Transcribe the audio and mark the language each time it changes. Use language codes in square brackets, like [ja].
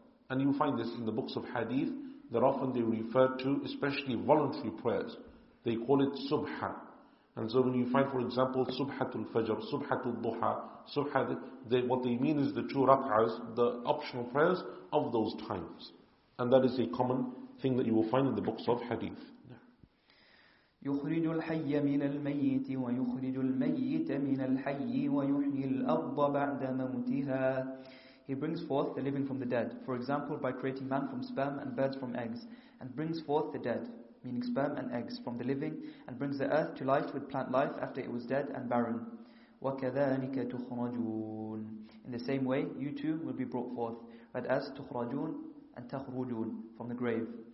[en] And you find this in the books of hadith, that often they refer to, especially voluntary prayers, they call it subha. And so when you find, for example, subhatul fajr, subhatul duha, subhat, what they mean is the two rak'ahs, the optional prayers of those times. And that is a common thing that you will find in the books of hadith. [ar] يخرج الحي من الميت ويخرج الميت من الحي ويحيي الأرض بعد موتها. [en] He brings forth the living from the dead, for example by creating man from sperm and birds from eggs, and brings forth the dead, meaning sperm and eggs, from the living, and brings the earth to life with plant life after it was dead and barren. [ar] وكذلك تخرجون. [en] In the same way, you too will be brought forth, but as تخرجون and تخرجون, from the grave.